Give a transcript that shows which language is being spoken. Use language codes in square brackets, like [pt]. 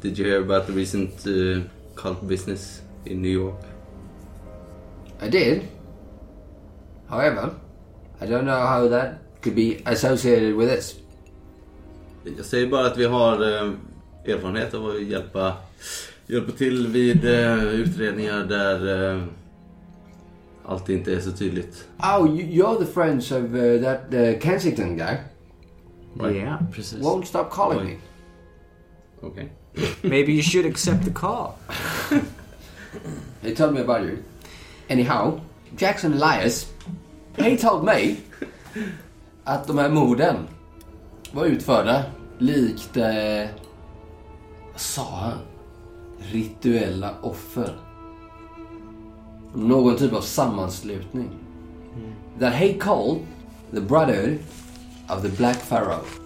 [en] Did you hear about the recent cult business in New York? I did. However, I don't know how that could be associated with this. [sv] Jag säger bara att vi har erfarenhet av att hjälpa till vid utredningar där allt inte är så tydligt. [en] Oh, you're the friends of that Kensington guy. Right. Yeah, precis. Won't stop calling me. Okay. Maybe you should accept the call. He told me about you. Anyhow, Jackson Elias, he told me att de här morden var utförda likt, vad sa han? [sv] Rituella offer. Någon typ av sammanslutning. Mm. [en] That he called the brother of the Black Pharaoh.